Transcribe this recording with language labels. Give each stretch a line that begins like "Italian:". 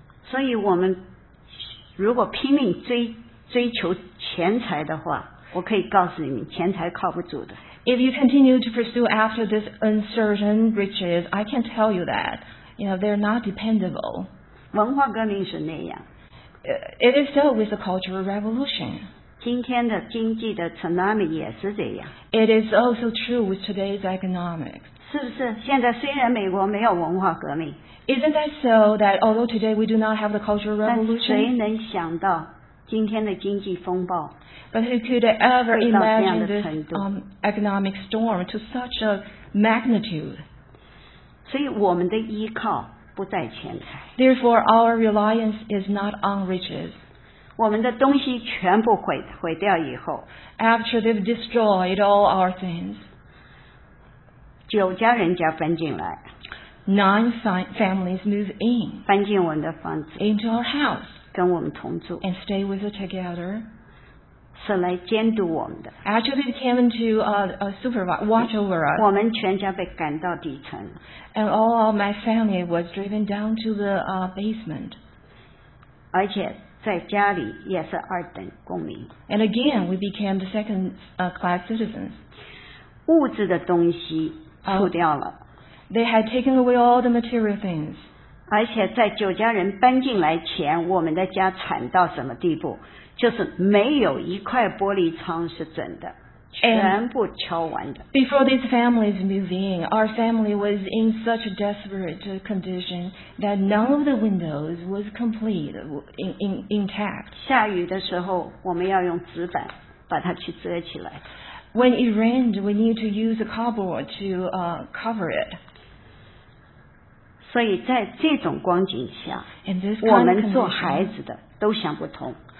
Chinese: 所以我们如果拼命追求钱财的话，我可以告诉你，钱财靠不住的。
English: If you continue to pursue after this uncertain riches, I can tell you that, you know, they're not dependable.
Chinese: 文化革命是那样。
English: It is so with the Cultural Revolution.
Chinese: 今天的经济的 tsunami 也是这样。
English: It is also true with today's economics.
Chinese: 是不是？现在虽然美国没有文化革命。
English: Isn't that so that although today we do not have the Cultural Revolution?
Chinese: 但谁能想到今天的经济风暴？
English: But who could ever imagine this economic storm to such a magnitude?
Chinese: 所以我们的依靠不在钱财。
English: Therefore, our reliance is not on riches.
Chinese: 我们的东西全部毁掉以后。
English: After they've destroyed all our things.
Chinese: 九家人家搬进来。
English: Nine families move in.
Chinese: 搬进我们的房子。
English: Into our house.
Chinese: 跟我们同住。
English: And stay with us together.
Chinese: 是来监督我们的。
English: Actually, they came to supervise, watch over us.
Chinese: 我们全家被赶到底层。
English: And all of my family was driven down to the basement.
Chinese: 而且在家里也是二等公民。
English: And again, we became the second class citizens.
Chinese: 物质的东西除掉了。
English: They had taken away all the material things.
Chinese: 而且在九家人搬进来前，我们的家惨到什么地步？就是没有一块玻璃窗是准的，全部敲完的。
English: And、before these families move in, our family was in such a desperate condition that none of the windows was complete intact.
Chinese: 下雨的时候，我们要用纸板把它去遮起来。
English: When it rained, we need to use a cardboard to cover it.
Chinese: 所以在这种光景下，
English: in this
Chinese: 我们做孩子的都想不通。